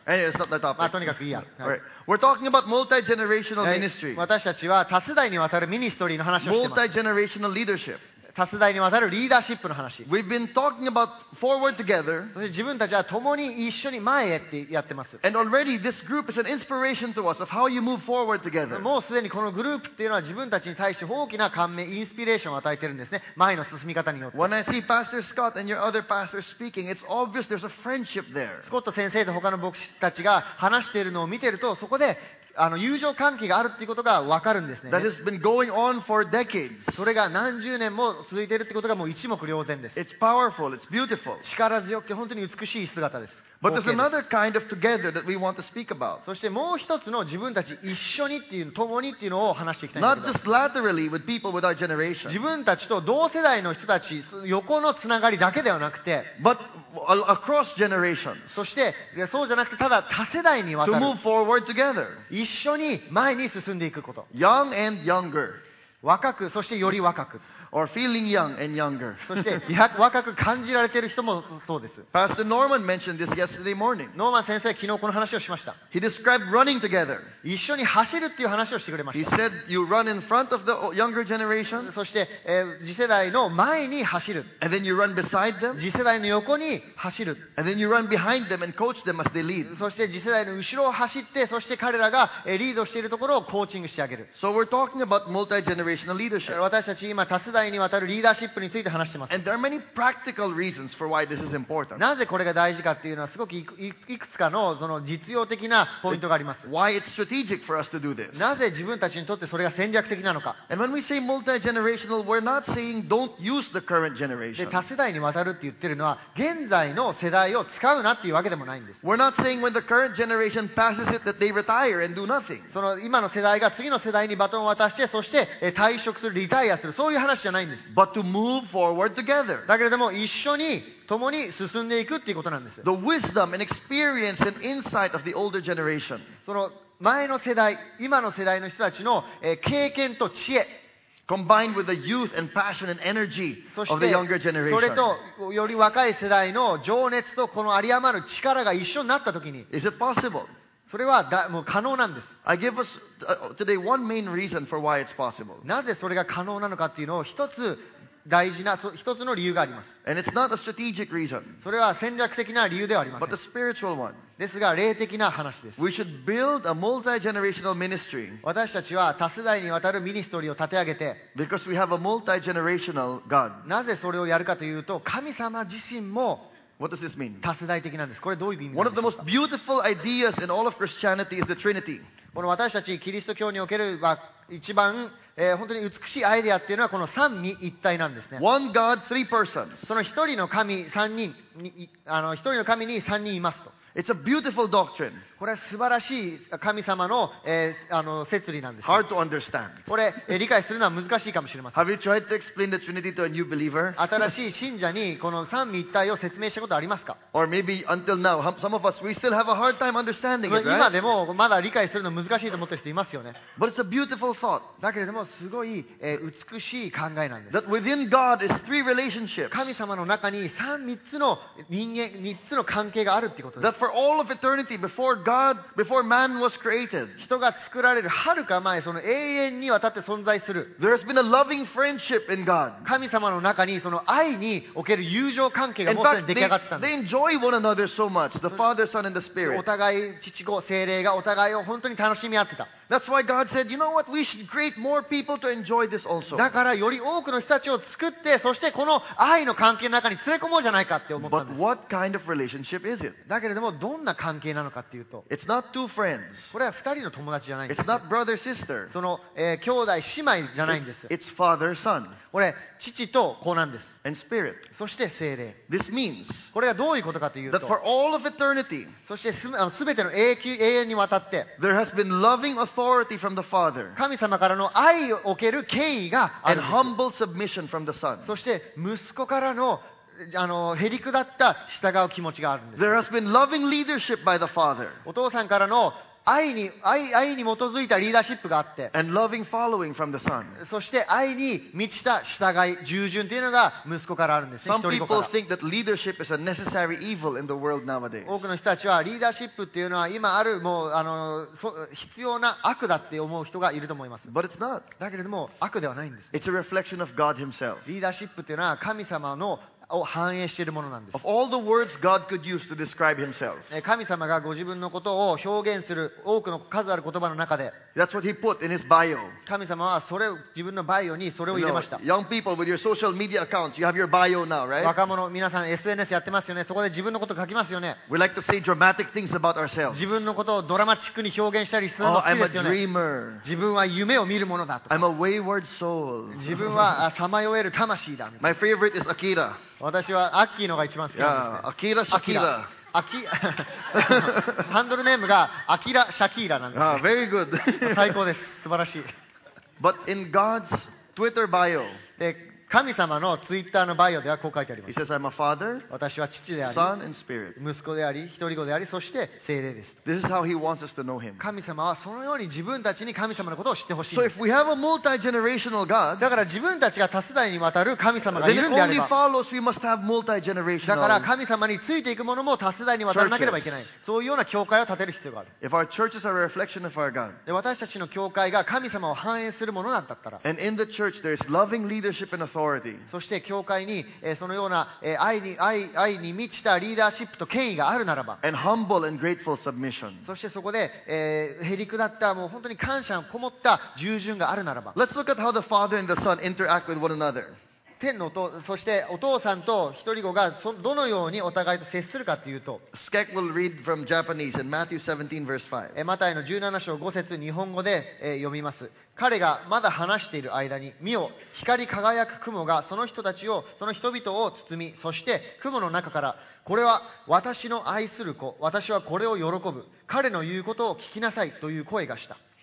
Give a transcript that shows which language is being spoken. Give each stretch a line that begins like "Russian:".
English: Anyway, it's not the topic.
Japanese: まあとにかくいいや。
English: Right. We're talking about multi-generational ministry.
Japanese: 私たちは多世代にわたるミニストリーの話をしています。
English: Multi-generational leadership.
Japanese: 多世代にわたるリーダーシップの話。
English: We've been talking about forward together.
Japanese: そして自分たちは共に一緒に前へってやってます。
English: And already this group is an inspiration to us of how you move forward together.
Japanese: もうすでにこのグループっていうのは自分たちに対して大きな感銘、インスピレーションを与えてるんですね。前の進み方によって。
English: When I see Pastor Scott and your other pastors speaking, it's obvious there's a friendship there.
Japanese: スコット先生と他の牧師たちが話しているのを見てると、そこで友情関係があるっていうことが分かるんですね。
English: That has been going on for decades.
Japanese: それが何十年も続いているってことがもう一目瞭然です。
English: It's powerful, it's beautiful.
Japanese: 力強くて本当に美しい姿です。
English: But there's another kind of together that we want to speak about.
Japanese: そしてもう一つの自分たち一緒にっていうの、共にっていうのを話していきたい。
English: Not just laterally with people with our generation.
Japanese: 自分たちと同世代の人たち横のつながりだけではなくて、
English: But across generations.
Japanese: そしてそうじゃなくてただ多世代にわたる。
English: To move forward together.
Japanese: 一緒に前に進んでいくこと。
English: Young and younger.
Japanese: 若くそしてより若く。
English: Or feeling young and younger.
Japanese: そして若く感じられている人もそうです。
English: Pastor Norman mentioned this yesterday morning.
Japanese: ノーマン先生昨日この話をしました。
English: He described running together.
Japanese: 一緒に走るっていう話をしてくれました。
English: He said you run in front of the younger generation.
Japanese: そして次世代の前に走る。
English: And then you run beside them.
Japanese: 次世代の横に走る。
English: And then you run behind them and coach them as they lead.
Japanese: そして次世代の後ろを走って、そして彼らがリードしているところをコーチングしてあげる。
English: So we're talking about multi-generational leadership.
Japanese: 私たち今多世代にわたるリーダーシップについて話しています。なぜこれが大事かっていうのはすごくいくつか その実用的なポイントがあります。
English: Why it's strategic for us to do this.
Japanese: なぜ自分たちにとってそれが戦略的なのか。
English: And when we say multi-generational, we're not saying don't use the current generation.
Japanese: 多世代にわたるって言ってるのは現在の世代を使うなっていうわけでもないんです。
English: We're not saying when the current generation passes it that they retire and do nothing.
Japanese: その今の世代が次の世代にバトンを渡して、そして退職する、リタイアする、そういう話じゃないんです。
English: But to move forward together.
Japanese: だけれども一緒に共に進んでいくっていうことなんです。
English: The wisdom and experience and insight of the older generation.
Japanese: その前の世代、今の世代の人たちの経験と知恵。
English: Combined with the youth and passion and energy of the younger generation.
Japanese: それとより若い世代の情熱とこの有り余る力が一緒になったときに。
English: Is it possible?
Japanese: それはもう可能なんです。
English: I give us today one main reason for why it's possible.
Japanese: なぜそれが可能なのかっていうのを一つの理由があります。
English: And it's not a strategic reason.
Japanese: それは戦略的な理由ではありません。
English: But the spiritual one.
Japanese: ですが霊的な話です。
English: We should build a multi-generational ministry.
Japanese: 私たちは多世代にわたるミニストリーを立て上げて。
English: Because we have a multi-generational God.
Japanese: なぜそれをやるかというと神様自身も。
English: What does this mean?
Japanese: 多世代的なんです。これどういう意味ですか?
English: One of the most beautiful ideas in all of Christianity is the Trinity.
Japanese: この私たちキリスト教における一番本当に美しいアイデアっていうのはこの三位一体なんですね。
English: One God, three persons.
Japanese: その一人の神三人に一人の神に三人いますと。
English: It's a beautiful doctrine.
Japanese: これは素晴らしい神様の説理なんです、ね。
English: Hard to understand.
Japanese: これ理解するのは難しいかもしれません。
English: Have you tried to explain the Trinity to a new believer?
Japanese: 新しい信者にこの三位一体を説明したことありますか
English: ？Or maybe until now, some of us we still have a hard time understanding it, right?
Japanese: 今でもまだ理解するの難しいと思っている人いますよね。
English: But it's a beautiful thought.
Japanese: だけれどもすごい美しい考えなんです。
English: That within God is three relationships.
Japanese: 神様の中に三つの人間、三つの関係があるっていうことです。
English: That's for all of eternity before God, before man was created.
Japanese: 人が作られるはるか前、その永遠にわたって存在する。
English: There has been a loving friendship in God.
Japanese: 神様の中にその愛における友情関係がもうすでに出来上がってたんです。
English: In fact, they enjoy one another so much, the Father, Son, and the Spirit.
Japanese: お互い父子聖霊がお互いを本当に楽しみ合ってた。
English: That's why God said, you know what? We should create more people to enjoy this also.
Japanese: だからより多くの人たちを作って、そしてこの愛の関係の中に連れ込もうじゃないかって思ったんです。
English: But what kind of relationship is it?
Japanese: だけれどもどんな関係なのかっていうと、
English: It's not two friends.
Japanese: これは二人の友達じゃないんです。
English: It's not brother sister.
Japanese: その、兄弟姉妹じゃないんです。
English: It's father son.
Japanese: これ父と子なんです。
English: And spirit.
Japanese: そして聖霊。
English: This means.
Japanese: これがどういうことかというと、
English: That for all of eternity.
Japanese: そしてすべての永遠にわたって、
English: There has been loving authority. From the Father,
Japanese: 神様からの愛を受ける権威があるんです。
English: And humble submission from the Son.
Japanese: そして息子からの、へりくだった従う気持ちがあるんです。
English: There has been loving leadership by the Father.
Japanese: お父さんからの愛に基づいたリーダーシップがあって、
English: And loving following from the Son.
Japanese: そして愛に満ちた従い、従順というのが息子からあるんです。
English: Some people think that leadership is a necessary evil in the world nowadays.
Japanese: 多くの人たちはリーダーシップというのは今あるもう必要な悪だって思う人がいると思います。
English: But it's not.
Japanese: だけれども悪ではないんです。
English: It's a reflection of God Himself.
Japanese: リーダーシップというのは神様のを反映しているものなんです。
English: Of all the words God could use to describe himself.
Japanese: 神様がご自分のことを表現する多くの数ある言葉の中で、
English: That's what he put in his bio.
Japanese: 神様はそれを自分のバイオにそれを入れました。
English: Young people with your social media accounts, you have your bio now, right?
Japanese: 若者、皆さん SNS やってますよね。そこで自分のこと書きますよね。
English: We like to say dramatic things about ourselves.
Japanese: 自分のことをドラマチックに表現したりするの好きですよね。
English: Oh, I'm a dreamer.
Japanese: 自分は夢を見るものだとか。
English: I'm a wayward soul.
Japanese: 自分はさまよえる魂だ。
English: My favorite is Akira.
Japanese: 私はアッキーのが一番好きなんですね。アキラ・シャキーラ。ハンドルネームがアキラ・シャキーラなんです、ね。
English: Ah, very good.
Japanese: 最高です。素晴らしい。
English: But in God's Twitter bio,
Japanese: で神様のツイッターのバイオではこう書いてあります。
English: He says, I'm a father,
Japanese: 私は父であり、
English: son and spirit.
Japanese: 息子であり、一人子であり、そして聖霊です。
English: This is how he wants us to know him.
Japanese: 神様はそのように自分たちに神様のことを知ってほしいんです。
English: So if we have a multi-generational God,
Japanese: だから自分たちが多世代にわたる神様がいるんであれば、
English: then if only follows, we must have multi-generational
Japanese: だから神様についていくものも多世代にわたらなければいけない。
English: Churches.
Japanese: そういうような教会を建てる必要がある。
English: If our churches are a reflection of our God,
Japanese: で私たちの教会が神様を反映するものだったら、
English: and in the church, there is loving leadership and authority.
Japanese: そして教会にそのような愛に満ちたリーダーシップと権威があるならば、
English: and humble and grateful submission.
Japanese: そしてそこでへりくだったもう本当に感謝こもった従順があるならば、
English: Let's look at how the Father and the Son interact with one another.
Japanese: 天のとそしてお父さんと一人子がどのようにお互いと接するかというと、
English: Skek will read from Japanese in Matthew 17 verse 5.
Japanese: マタイの17章5節日本語で読みます。彼がまだ話している間に、見よ、光り輝く雲がその人たちを、その人々を包み、そして雲の中から、これは私の愛する子、私はこれを喜ぶ、彼の言うことを聞きなさいという声がした。